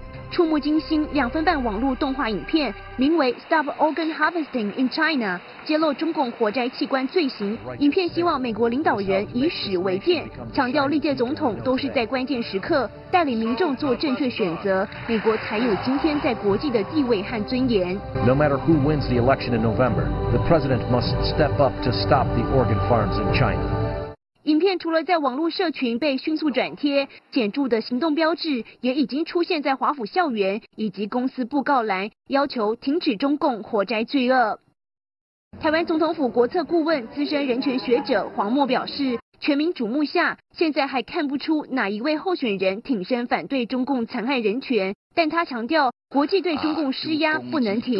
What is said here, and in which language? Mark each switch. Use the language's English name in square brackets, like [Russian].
[Chinese] 触目惊心两分半网络动画影片，名为 Stop Organ Harvesting in China， 揭露中共活摘器官罪行。影片希望美国领导人以史为鉴，强调历届总统都是在关键时刻带领民众做正确选择，美国才有今天在国际的地位和尊严。 [English] No matter who wins the election in November, the president must step up to stop the organ farms in China。 [Chinese] 影片除了在网络社群被迅速转贴，显著的行动标志也已经出现在华府校园以及公司布告栏，要求停止中共活摘罪恶。台湾总统府国策顾问、资深人权学者黄默表示，全民瞩目下，现在还看不出哪一位候选人挺身反对中共残害人权，但他强调，国际对中共施压不能停。